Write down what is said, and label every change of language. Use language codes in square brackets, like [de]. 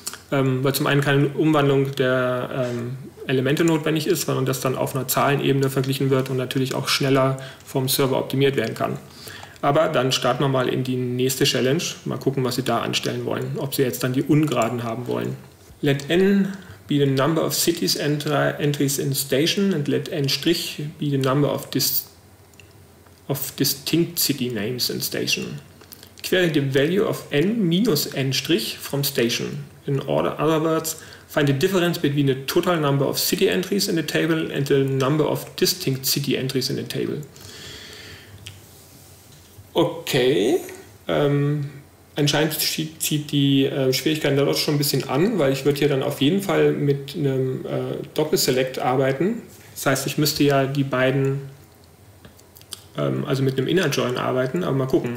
[de] Weil zum einen keine Umwandlung der Elemente notwendig ist, sondern das dann auf einer Zahlenebene verglichen wird und natürlich auch schneller vom Server optimiert werden kann. Aber dann starten wir mal in die nächste Challenge. Mal gucken, was Sie da anstellen wollen, ob Sie jetzt dann die Ungeraden haben wollen. [en] Let n be the number of cities entries in station and let n' be the number of distinct city names in station. Query the value of n minus n' from station. In order, other words, find the difference between the total number of city entries in the table and the number of distinct city entries in the table. [de] Okay, anscheinend zieht die Schwierigkeit da doch schon ein bisschen an, weil ich würde hier dann auf jeden Fall mit einem Doppelselect arbeiten. Das heißt, ich müsste ja die beiden, also mit einem Inner Join arbeiten, aber mal gucken.